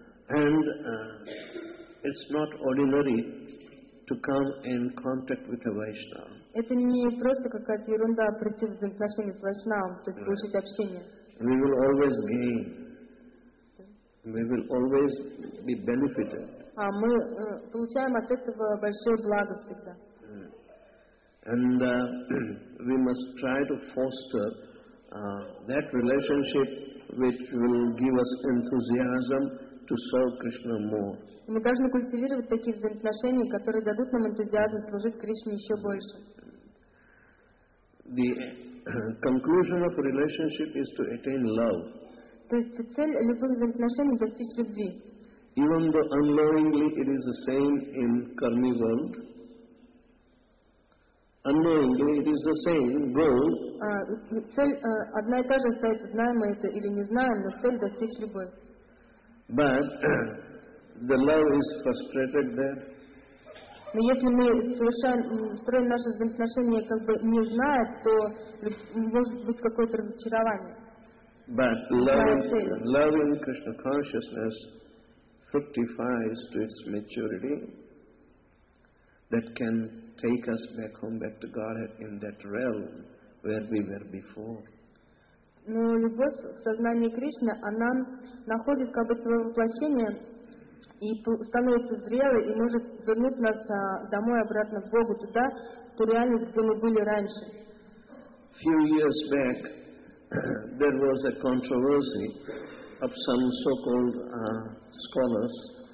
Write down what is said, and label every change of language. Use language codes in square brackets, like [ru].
[en] And it's not ordinary to come in contact with a Vaishnava. [ru] Это не просто какая-то ерунда прийти в взаимоотношения с Вайшнавом, то есть получить общение. [en] We will always gain. We will always be benefited. [ru] А мы получаем от этого большое благо всегда. [en] And we must try to foster that relationship which will give us enthusiasm to serve Krishna more. [ru] Мы должны культивировать такие взаимоотношения, которые дадут нам энтузиазм служить Кришне еще больше. [en] The conclusion of a relationship is to attain love. [ru] То есть цель любых взаимоотношений — достичь любви. [en] Even though unknowingly it is the same in karmic world, unknowingly it is the same goal. [ru] Цель одна и та же остается, знаем мы это или не знаем, но цель — достичь любви. [en] But the love is frustrated there. [ru] Но если мы строим наши взаимоотношения как бы не зная, то может быть какое-то разочарование. [en] But loving Krishna consciousness fructifies to its maturity that can take us back home, back to Godhead in that realm where we were before. [ru] Но любовь в сознании Кришны, она находит как бы свое воплощение и становится зрелой и может вернуть нас домой, обратно к Богу, туда, в ту реальность, где мы были раньше. [en] Few years back, there was a controversy of some so-called scholars.